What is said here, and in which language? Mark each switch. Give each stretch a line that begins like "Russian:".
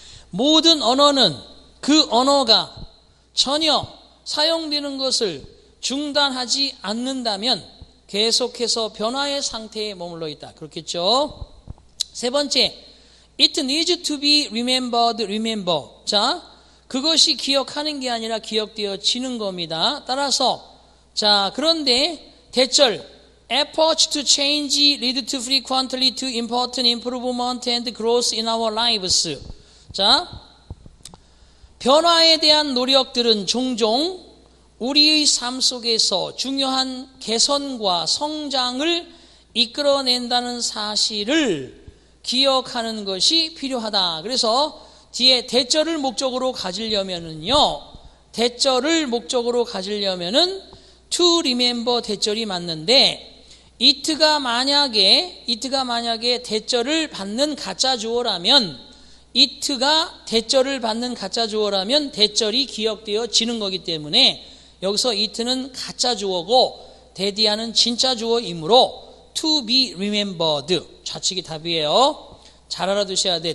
Korean: 모든 언어는 그 언어가 전혀 사용되는 것을 중단하지 않는다면 계속해서 변화의 상태에 머물러 있다. 그렇겠죠? 세 번째,
English: it needs to be remembered, remember.
Korean: 자, 그것이 기억하는 게 아니라 기억되어지는 겁니다. 따라서, 자, 그런데 대절,
English: efforts to change lead to frequently to important improvement and growth in our lives.
Korean: 자, 변화에 대한 노력들은 종종 우리의 삶 속에서 중요한 개선과 성장을 이끌어낸다는 사실을 기억하는 것이 필요하다. 그래서 뒤에 대절을 목적으로 가지려면은요, 대절을 목적으로 가지려면은 to remember 대절이 맞는데, it가 만약에 대절을 받는 가짜 주어라면, it가 대절을 받는 가짜 주어라면 대절이 기억되어지는 거기 때문에 여기서 it는 가짜 주어고 대디아는 진짜 주어이므로
English: to be remembered
Korean: 좌측이 답이에요. 잘 알아두셔야 돼.